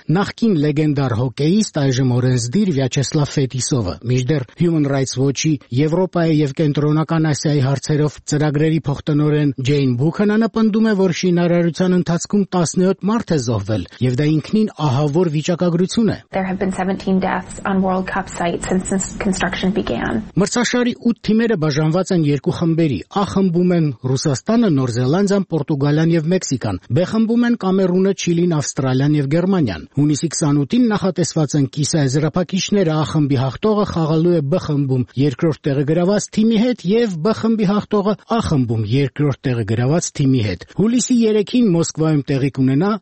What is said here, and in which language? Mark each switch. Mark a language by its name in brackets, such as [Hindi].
[Armenian] նախկին լեգենդար հոկեիստ, այժմ օրենսդիր Վյաչեսլավ Ֆետիսովը։ Միջդեռ Human Rights Watch-ի Եվրոպայի և Կենտրոնական Ասիայի հարցերով ծրագրերի փոխտնօրեն Ջեյն Բուքանանը պնդում է, որ շինարարության ընթացքում 17 մարդ է զոհվել, և դա ինքնին ահավոր վիճակագրություն հարստություն է։ [English] There have been 17 deaths on World Cup sites since construction began. [Armenian] Մրցաշարի 8 թիմերը բաժանված են երկու խմբերի. Ա խմբում են Ռուսաստանը, Նոր Զելանդիան, Պորտուգալիան եւ Մեքսիկան։ Բ խմբում են Կամերունը, Չիլին, Ավստրալիան եւ Գերմանիան։ Հունիսի 28-ին նախատեսված են կիսաեզրափակիչները, Ա խմբի հաղթողը խաղալու է Բ խմբում երկրորդ տեղը գրաված թիմի հետ եւ Բ խմբի հաղթողը Ա խմբում երկրորդ տեղը գրաված թիմի հետ։ Հուլիսի 3-ին Մոսկվայում տեղի կունենա